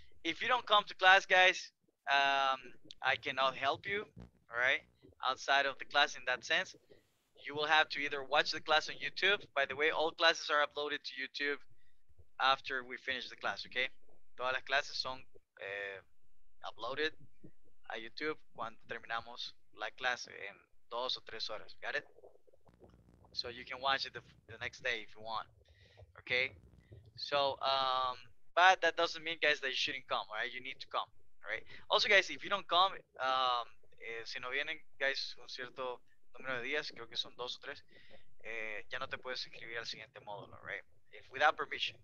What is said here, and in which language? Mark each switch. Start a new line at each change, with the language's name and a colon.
English: If you don't come to class, guys, I cannot help you, all right? Outside of the class in that sense. You will have to either watch the class on YouTube. By the way, all classes are uploaded to YouTube after we finish the class, okay?
Spanish: Todas las clases son uploaded. A YouTube cuando terminamos la clase en 2 o 3 horas.
English: Got it? So you can watch it the next day if you want. Okay? So, but that doesn't mean, guys, that you shouldn't come, right? You need to come, right? Also, guys, if you don't come,
Spanish: si no vienen, guys, un cierto número de días, creo que son 2 o 3, ya no te puedes inscribir al siguiente módulo, right?
English: If without permission.